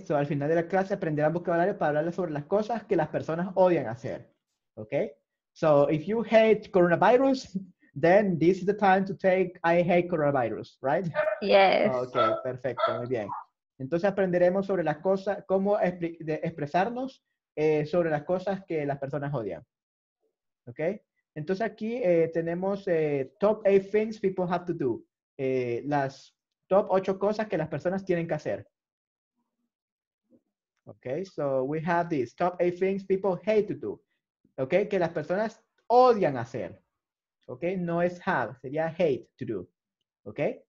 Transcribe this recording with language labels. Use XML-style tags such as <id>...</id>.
<es>So, al final de la clase aprenderán vocabulario para hablarles sobre las cosas que las personas odian hacer.</es> <en>Okay. So, if you hate coronavirus, then this is the time to take I hate coronavirus, right? Yes.</en> <es>Okay. Perfecto. Muy bien. Entonces, aprenderemos sobre las cosas, cómo expresarnos sobre las cosas que las personas odian. Okay. Entonces aquí tenemos</es> <en>top 8 things people have to do.</en> <es>Las top 8 cosas que las personas tienen que hacer.</es> <en>Okay, so we have these top 8 things people hate to do.</en> <es>¿ok? Que las personas odian hacer, ¿ok? No es have, sería</es> <en>hate to do,</en> <es>¿ok?</es>